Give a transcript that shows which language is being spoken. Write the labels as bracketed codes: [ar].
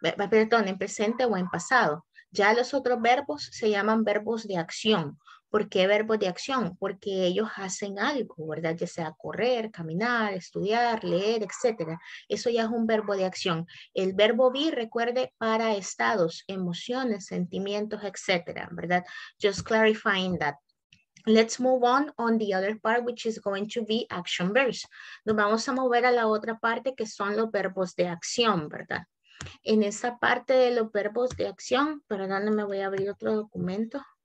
[es] Perdón, en presente o en pasado. Ya los otros verbos se llaman verbos de acción. ¿Por qué verbos de acción? Porque ellos hacen algo, ¿verdad? Ya sea correr, caminar, estudiar, leer, etc. Eso ya es un verbo de acción. El verbo be, recuerde, para estados, emociones, sentimientos, etc. [en] ¿Verdad? Just clarifying that. Let's move on the other part, which is going to be action verbs. [es] Nos vamos a mover a la otra parte que son los verbos de acción, ¿verdad? En esa parte de los verbos de acción, perdónenme, voy a abrir otro documento.